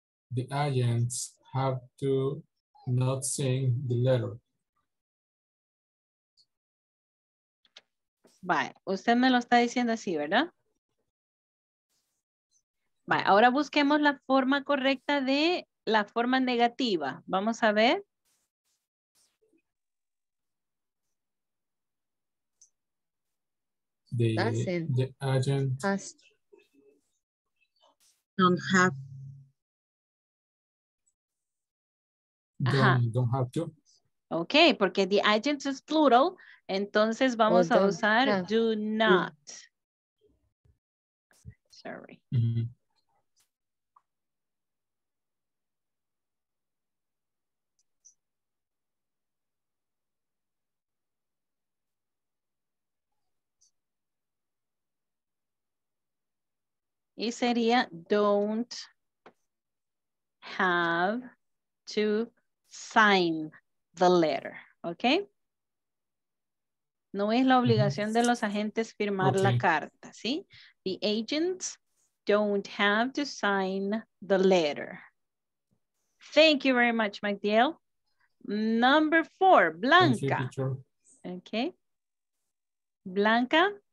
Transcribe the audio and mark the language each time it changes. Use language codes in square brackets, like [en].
[en] The agents have to not send the letter. [es] Vale, usted me lo está diciendo así, ¿verdad? Vale, ahora busquemos la forma correcta de la forma negativa. Vamos a ver. [en] The agent has don't have. Don't have to. Okay, [es] porque [en] the agent is plural, [es] entonces vamos a usar [en] do not. Sorry. Mm-hmm. [es] Y sería [en] don't have to sign the letter, okay? [es] No es la obligación de los agentes firmar la carta, ¿sí? [en] The agents don't have to sign the letter. Thank you very much, Magdiel. Number 4, Blanca. Okay. Blanca?